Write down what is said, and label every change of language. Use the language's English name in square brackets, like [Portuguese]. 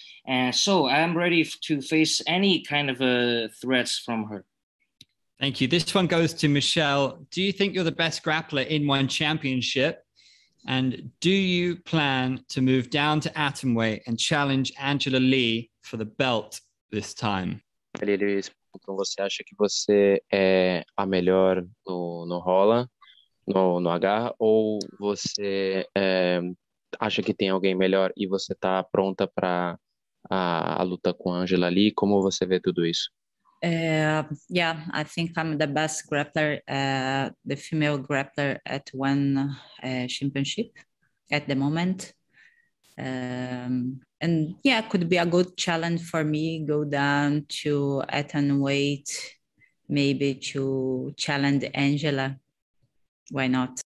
[English] And so I'm ready to face any kind of threats from her. Thank you. This one goes to Michelle. Do you think you're the best grappler in one championship? And do you plan to move down to atomweight and challenge Angela Lee for the belt this time? It is [Portuguese] tempo que você acha que você é a melhor no, no rola, no, no agarra, ou você é, acha que tem alguém melhor e você está pronta para a luta com a Angela ali? Como você vê tudo isso? [English] Yeah, I think I'm the best grappler, the female grappler at one championship at the moment. And yeah, it could be a good challenge for me go down to at an weight, maybe to challenge Angela. Why not?